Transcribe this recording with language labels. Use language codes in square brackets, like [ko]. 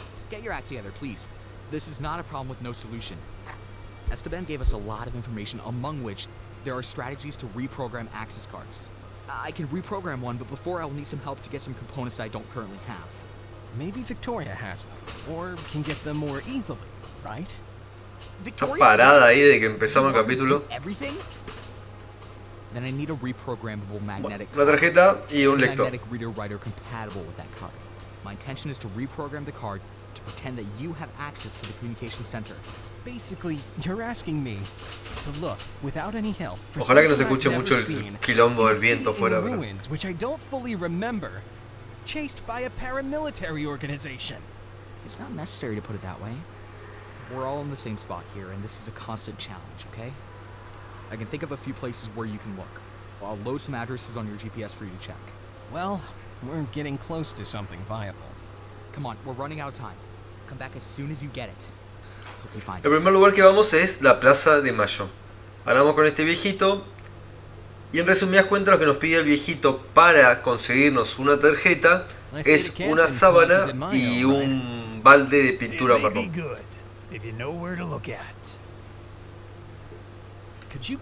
[en] Get your act together, please. This is not a problem with no solution. Esteban gave us a lot of information, among which there are strategies to reprogram access cards. I can reprogram one, but before I will need some help to get some components I don't currently have. Maybe Victoria has them, or can get them more easily, right? [es] Está parada ahí de que empezamos el capítulo. [en] Then I need a reprogrammable magnetic card. [es] Una tarjeta y un lector. [en] Magnetic reader writer compatible with that card. My intention is to reprogram the card to pretend that you have access to the communication center. Basically, you're asking me to look without any help. [es] Ojalá que no se escuche mucho el quilombo del viento fuera, bro. [en] Which I don't fully remember, chased by a paramilitary organization. It's not necessary to put it that way. We're all in the same spot here, and this is a constant challenge, okay? I can think of a few places where you can look. I'll load some addresses on your GPS for you to check. Well, we're getting close to something viable. Come on, we're running out of time. Come back as soon as you get it. Hope you find it. [es] El primer lugar que vamos es la Plaza de Mayo. Hablamos con este viejito, y en resumidas cuentas lo que nos pide el viejito para conseguirnos una tarjeta es una sábana y un balde de pintura marrón. [en] If you know where to look at.